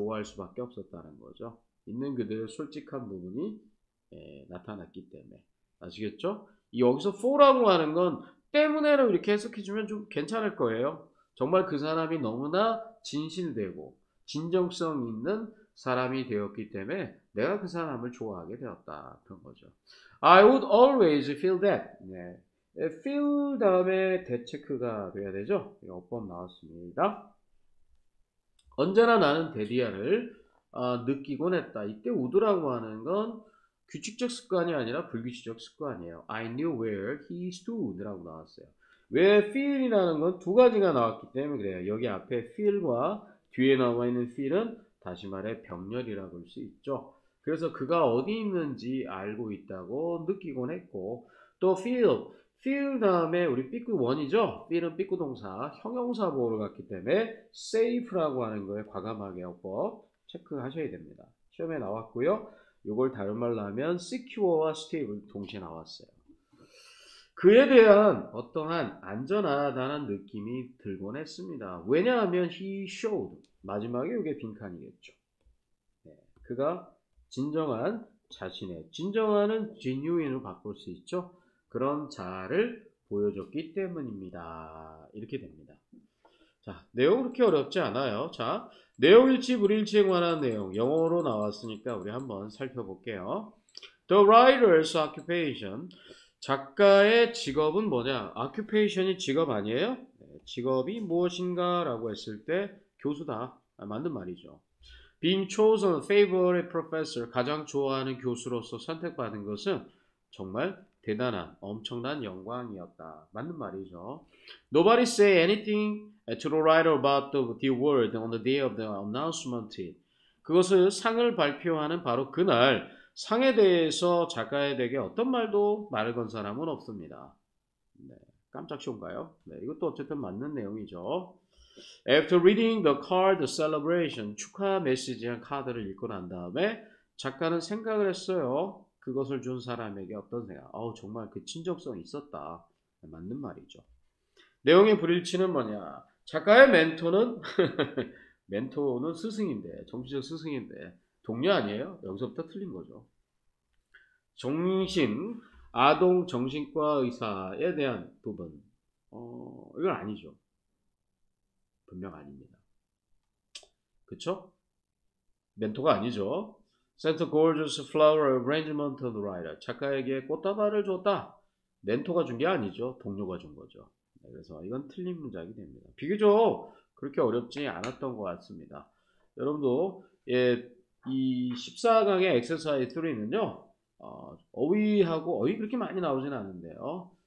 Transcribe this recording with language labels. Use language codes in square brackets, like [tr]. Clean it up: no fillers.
[ko] 좋아할 수밖에 없었다는 거죠. 있는 그대로 솔직한 부분이 나타났기 때문에. 아시겠죠? 여기서 for라고 하는 건 때문에로 이렇게 해석해 주면 좀 괜찮을 거예요. 정말 그 사람이 너무나 진실되고 진정성 있는 사람이 되었기 때문에 내가 그 사람을 좋아하게 되었다. 그런 거죠. [en] I would always feel that. [ko] 네. feel 다음에 that 체크가 돼야 되죠. 어법 나왔습니다. 언제나 나는 데디아를 느끼곤 했다. 이때 우드라고 하는 건 규칙적 습관이 아니라 불규칙적 습관이에요. [en] I knew where he stood [ko] 라고 나왔어요. 왜 feel이라는 건두 가지가 나왔기 때문에 그래요. 여기 앞에 feel과 뒤에 나와 있는 feel은 다시 말해 병렬이라고 할수 있죠. 그래서 그가 어디 있는지 알고 있다고 느끼곤 했고 또 feel 다음에 우리 삐꾸 원이죠. feel은 삐꾸 동사 형용사 보호를 갖기 때문에 safe라고 하는 거에 과감하게 어법 체크하셔야 됩니다. 시험에 나왔고요. 이걸 다른 말로 하면 secure와 stable 동시에 나왔어요. 그에 대한 어떠한 안전하다는 느낌이 들곤 했습니다. 왜냐하면 [en] he showed. [ko] 마지막에 이게 빈칸이겠죠. 네, 그가 진정한 자신의, 진정하는 genuine으로 바꿀 수 있죠. 그런 자아를 보여줬기 때문입니다. 이렇게 됩니다. 자, 내용 그렇게 어렵지 않아요. 자, 내용일지 불일지에 관한 내용, 영어로 나왔으니까 우리 한번 살펴볼게요. [en] The writer's occupation. [ko] 작가의 직업은 뭐냐? occupation이 직업 아니에요? 직업이 무엇인가? 라고 했을 때 교수다. 맞는 말이죠. [en] Being chosen favorite professor, [ko] 가장 좋아하는 교수로서 선택받은 것은 정말 대단한, 엄청난 영광이었다. 맞는 말이죠. [en] Nobody say anything to the writer about the award on the day of the announcement. [ko] 그것은 상을 발표하는 바로 그날, 상에 대해서 작가에게 어떤 말도 말을 건 사람은 없습니다. 네, 깜짝 쇼인가요? 네, 이것도 어쨌든 맞는 내용이죠. [en] After reading the card celebration, [ko] 축하 메시지한 카드를 읽고 난 다음에 작가는 생각을 했어요. 그것을 준 사람에게 어떤 생각? 어우, 정말 그 친절성이 있었다. 맞는 말이죠. 내용의 불일치는 뭐냐? 작가의 멘토는 멘토는 스승인데, 정치적 스승인데 동료 아니에요? 여기서부터 틀린 거죠. 정신, 아동 정신과 의사에 대한 부분. 이건 아니죠. 분명 아닙니다. 그쵸? 멘토가 아니죠. [en] Sent a gorgeous flower arrangement to the writer. [ko] 작가에게 꽃다발을 줬다. 멘토가 준게 아니죠. 동료가 준 거죠. 그래서 이건 틀린 문장이 됩니다. 비교적 그렇게 어렵지 않았던 것 같습니다. 여러분도, 이 14강의 엑서사이즈 3는요, 어휘하고, 어휘 그렇게 많이 나오진 않은데요.